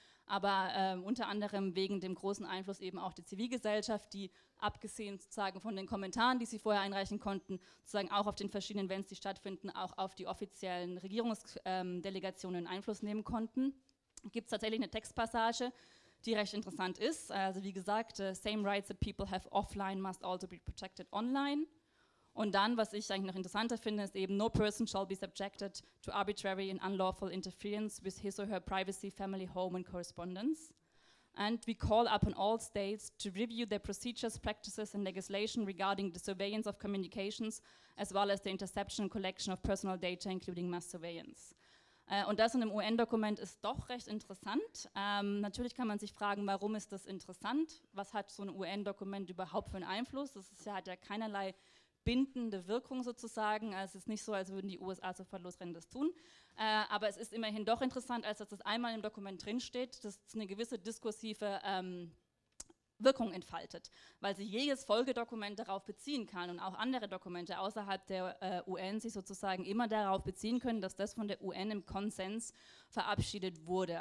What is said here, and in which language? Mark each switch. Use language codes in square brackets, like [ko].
[de] Aber unter anderem wegen dem großen Einfluss eben auch der Zivilgesellschaft, die abgesehen sozusagen von den Kommentaren, die sie vorher einreichen konnten, sozusagen auch auf den verschiedenen Events, die stattfinden, auch auf die offiziellen Regierungsdelegationen Einfluss nehmen konnten, gibt es tatsächlich eine Textpassage, die recht interessant ist. Also wie gesagt, [en] same rights that people have offline must also be protected online. [de] Und dann, was ich eigentlich noch interessanter finde, ist eben, [en] no person shall be subjected to arbitrary and unlawful interference with his or her privacy, family, home and correspondence. And we call upon all states to review their procedures, practices and legislation regarding the surveillance of communications, as well as the interception and collection of personal data, including mass surveillance. [de] Und das in einem UN-Dokument ist doch recht interessant. Natürlich kann man sich fragen, warum ist das interessant? Was hat so ein UN-Dokument überhaupt für einen Einfluss? Das ist ja, hat ja keinerlei bindende Wirkung sozusagen. Es ist nicht so, als würden die USA sofort losrennen, das tun. Aber es ist immerhin doch interessant, als dass das einmal im Dokument drinsteht, dass es eine gewisse diskursive Wirkung entfaltet, weil sich jedes Folgedokument darauf beziehen kann und auch andere Dokumente außerhalb der UN sich sozusagen immer darauf beziehen können, dass das von der UN im Konsens verabschiedet wurde.